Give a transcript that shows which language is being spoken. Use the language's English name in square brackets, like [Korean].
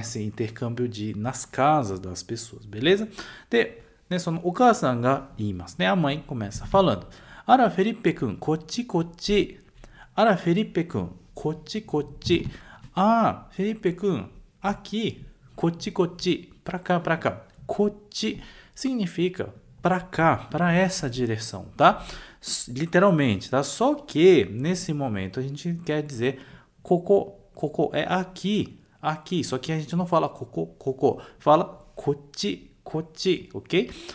[Portuguese] Esse intercâmbio nas casas das pessoas, beleza? De, né, [Japanese] そのお母さんが言いますね。 [Portuguese] A mãe começa falando: [Japanese] あら、フェリペ君、こっちこっち。あら、フェリペ君、こっちこっち。ああ、フェリペ君、 [Portuguese] aqui、 [Japanese] こっちこっち。 [Portuguese] Pra cá, pra cá。こっち significa pra cá, pra essa direção, tá? Literalmente, tá? Só que nesse momento a gente quer dizer [Japanese] ここ、ここ [Portuguese] é aqui, aqui. Só que a gente não fala [Japanese] ここ、ここ [Portuguese] fala [Japanese] こっち、こっち, [Portuguese] ok?